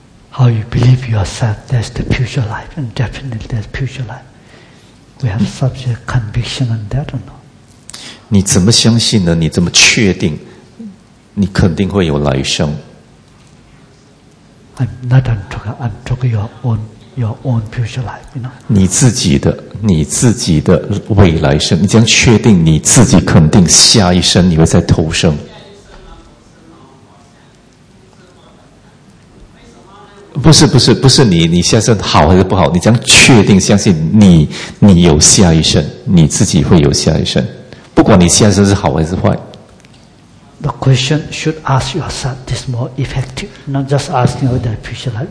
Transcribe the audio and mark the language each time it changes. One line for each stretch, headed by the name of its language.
English: how you believe yourself, that's the future life, and definitely that's future life. We have subject conviction on that or not?
Chinese: 你怎么相信呢？你怎么确定？你肯定会有来生。
English: I'm not talking. I'm talking your own future life. You know.
Chinese: 你自己的，你自己的未来生，你将确定你自己肯定下一生你会再投生。不是不是不是你下生好还是不好？你将确定相信你有下一生，你自己会有下一生，不管你下生是好还是坏。
English: The question should ask yourself this more effective, not just asking about the future life.